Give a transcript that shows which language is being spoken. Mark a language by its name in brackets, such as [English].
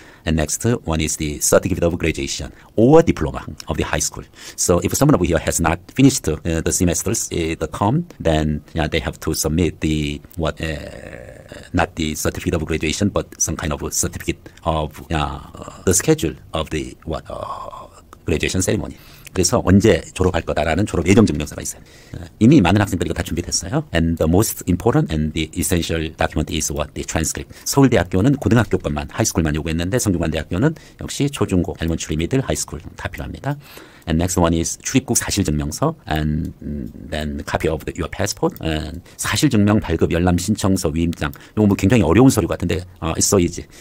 [English] And next one is the certificate of graduation or diploma of the high school. So if someone over here has not finished the semesters, the term, then they have to submit the what? Not the certificate of graduation, but some kind of a certificate of the schedule of the what graduation ceremony. [Korean] 그래서 언제 졸업할 거다라는 졸업 예정 증명서가 있어요. 이미 많은 학생들이 이거 다 준비됐어요. [English] And the most important and the essential document is what? The transcript. [Korean] 서울대학교는 고등학교 것만, 하이스쿨만 요구했는데 성균관대학교는 역시 초중고, 엘먼트리, 미들, 하이스쿨 다 필요합니다. [English] And next one is [Korean] 출입국 사실 증명서 [English] and then copy of your passport and [Korean] 사실 증명 발급 열람 신청서 위임장 이거 뭐 굉장히 어려운 서류 같은데 [English] it's so easy.